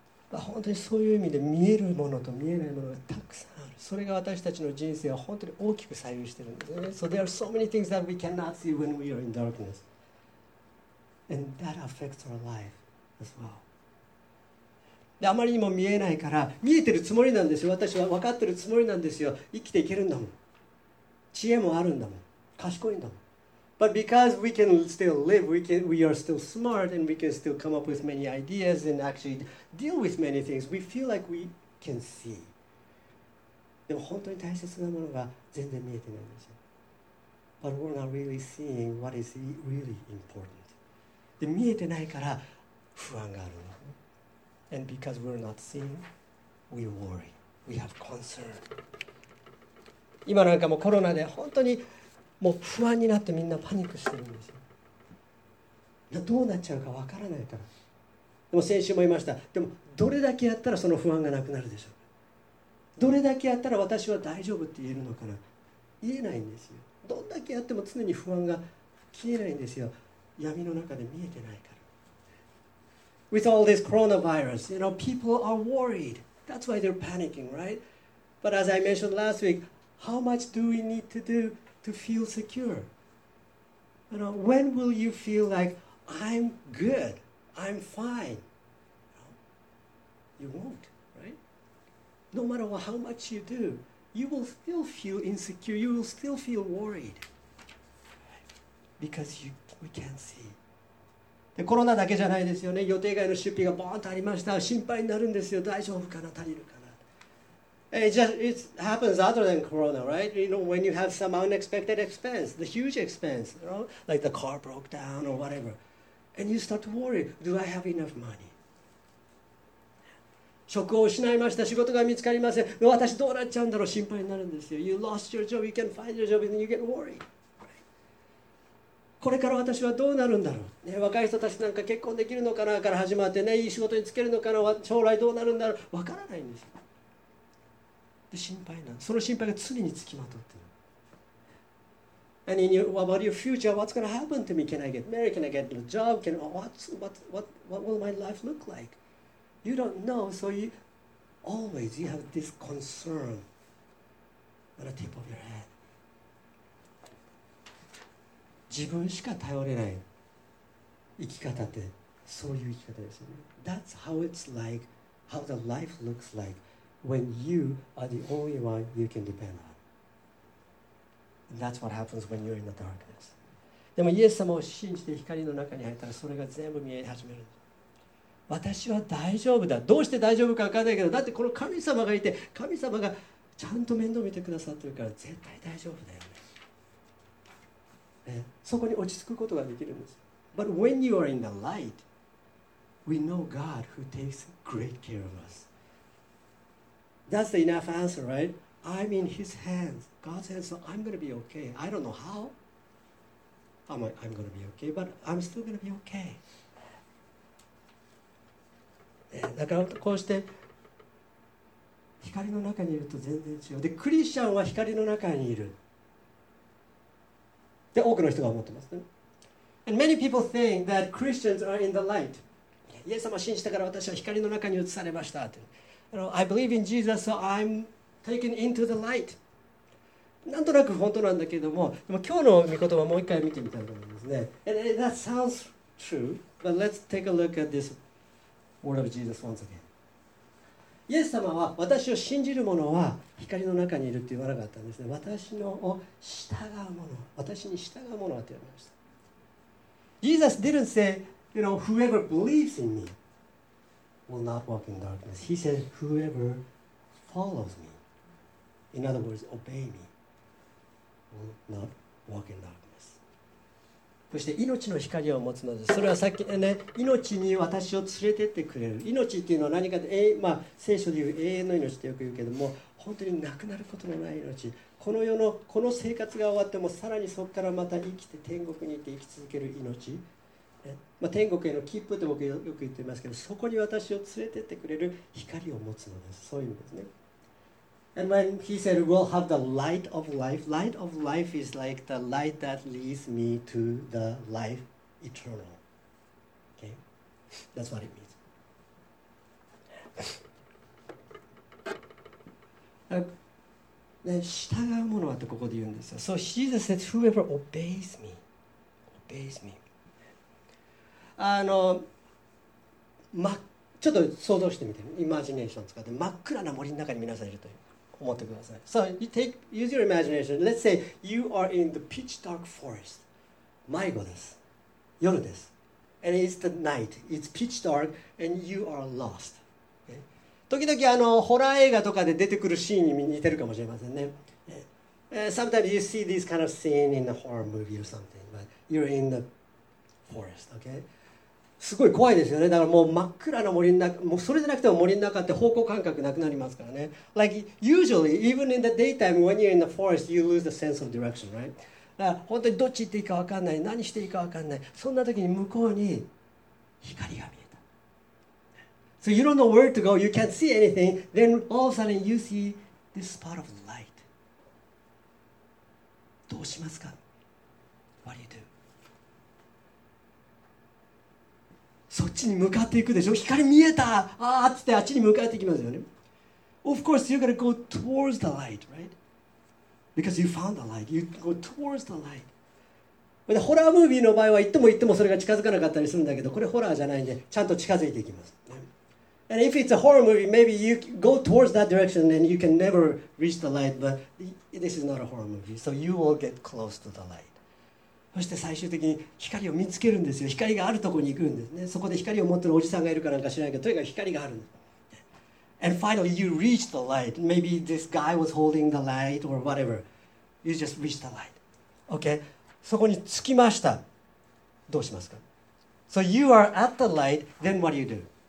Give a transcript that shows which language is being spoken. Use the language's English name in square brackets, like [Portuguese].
[Japanese] まあ、本当にそういう意味で見えるものと見えないものがたくさんある。それが私たちの人生を本当に大きく左右しているんですね。 [English] So there are so many things that we cannot see when we are in darkness. And that affects our life as well. [Japanese] で、あまりにも見えないから、見えてるつもりなんですよ。私は分かってるつもりなんですよ。生きていけるんだもん。知恵もあるんだもん。賢いんだもん。 [English] But because we can still live, we are still smart and we can still come up with many ideas and actually deal with many things, we feel like we can see. [Japanese] でも本当に大切なものが全然見えてないんですよ。 [English] But we're not really seeing what is really important. [Japanese] で、見えてないから不安があるの。 [English] And because we're not seeing, we worry. We have concern. [Japanese] 今なんかもコロナで本当にもう不安になってみんなパニックしてるんですよ。どうなっちゃうかわからないから。でも先週も言いました。でもどれだけやったらその不安がなくなるでしょうか。どれだけやったら私は大丈夫って言えるのかな。言えないんですよ。どんだけやっても常に不安が消えないんですよ。闇の中で見えてないから。 [English] With all this coronavirus, you know, people are worried. That's why they're panicking, right? But as I mentioned last week, how much do we need to do to feel secure? You know, when will you feel like I'm good, I'm fine? You won't, right? No matter how much you do, you will still feel insecure. You will still feel worried, right? Because we can't see. [Japanese] でコロナだけじゃないですよね。予定外の出費がボーンとありました。心配になるんですよ。大丈夫かな、足りるかな。 [English] It happens other than corona, right? You know, when you have some unexpected expense, the huge expense, you know, like the car broke down or whatever, and you start to worry, do I have enough money? [Japanese] 職を失いました。仕事が見つかりません。私どうなっちゃうんだろう、心配になるんですよ。 [English] You lost your job, you can't find your job, and you get worried. [Japanese] これから私はどうなるんだろう、ね、若い人たちなんか結婚できるのかなから始まってね、いい仕事につけるのかな、将来どうなるんだろう、わからないんですよ。で心配なんです。その心配が常につきまとってる。 [English] And in your, about your future, what's going to happen to me? Can I get married? Can I get a job? What will my life look like? You don't know, so you always you have this concern at the tip of your head. [Japanese] 自分しか頼れない生き方ってそういう生き方ですよね。 [English] That's how it's like, how the life looks like when you are the only one you can depend on. And that's what happens when you're in the darkness. [Japanese] でもイエス様を信じて光の中に入ったらそれが全部見え始める。私は大丈夫だ。どうして大丈夫か分からないけど、だってこの神様がいて、神様がちゃんと面倒見てくださってるから絶対大丈夫だよね。そこに落ち着くことができるんです。 [English] But when you are in the light, we know God who takes great care of us. That's the enough answer, right? I'm in His hands, God's hands, so I'm going to be okay. I don't know how. I'm going to be okay, but I'm still going to be okay. [Japanese] だからこうして光の中にいると全然違う。で、クリスチャンは光の中にいる。で、多くの人が思ってますね。 [English] And many people think that Christians are in the light. [Japanese] イエス様を信じたから私は光の中に移されましたって。 [English] You know, I believe in Jesus, so I'm taken into the light. [Japanese] なんとなく本当なんだけども、でも今日の御言葉をもう一回見てみたいと思いますね。 [English] And that sounds true, but let's take a look at this word of Jesus once again. [Japanese] イエス様は私を信じる者は光の中にいるって言わなかったんですね。私のを従う者、私に従う者はって言われました。 [English] Jesus didn't say, you know, whoever believes in me will not walk in darkness. He said, whoever follows me, in other words, obey me, will not walk in darkness. [Japanese] そして命の光を持つのです。それはさっきね、命に私を連れてってくれる。命っていうのは何かで、まあ、聖書で言う永遠の命ってよく言うけども、本当になくなることのない命、この世のこの生活が終わってもさらにそこからまた生きて天国に行って生き続ける命、まあ、天国への切符って僕よく言ってますけど、そこに私を連れてってくれる光を持つのです。そういう意味ですね。 [English] And when he said we'll have the light of life is like the light that leads me to the life eternal. That's what it means. [Japanese] ね、従うものはってここで言うんですよ。 [English] So Jesus says, whoever obeys me, obeys me. [Japanese] あの、ま、ちょっと想像してみて、イマジネーション使って真っ暗な森の中に皆さんいると思ってください。 [English] So you take, use your imagination. Let's say you are in the pitch dark forest. [Japanese] 迷子です。夜です。 [English] And it's the night. It's pitch dark and you are lost. [Japanese] 時々あのホラー映画とかで出てくるシーンに似てるかもしれませんね。 [English] Sometimes you see this kind of scene in a horror movie or something, but you're in the forest, okay? [Japanese] すごい怖いですよね。だからもう真っ暗な森の中、もうそれでなくても森の中って方向感覚なくなりますからね。 [English] Like usually, even in the daytime, when you're in the forest, you lose the sense of direction, right? [Japanese] だから本当にどっち行っていいか分かんない、何していいか分かんない。そんな時に向こうに光が見える。 [English] So you don't know where to go, you can't see anything, then all of a sudden you see this spot of light. [Japanese] どうしますか? [English] What do you do? [Japanese] そっちに向かっていくでしょ?光見えた!あーっつってあっちに向かっていきますよね? [English] Of course, you're going to go towards the light, right? Because you found the light, you go towards the light. [Japanese] ホラームービーの場合は行っても行ってもそれが近づかなかったりするんだけど、これホラーじゃないんで、ちゃんと近づいていきます。 [English] And if it's a horror movie, maybe you go towards that direction and you can never reach the light, but this is not a horror movie, so you will get close to the light. [Japanese] そして最終的に光を見つけるんですよ。光があるところに行くんですね。そこで光を持ってるおじさんがいるかなんか知らないけど、とにかく光があるんです。 [English] And finally, you reach the light. Maybe this guy was holding the light or whatever. You just reach the light. Okay? [Japanese] そこに着きました。どうしますか? [English] So you are at the light, then what do you do?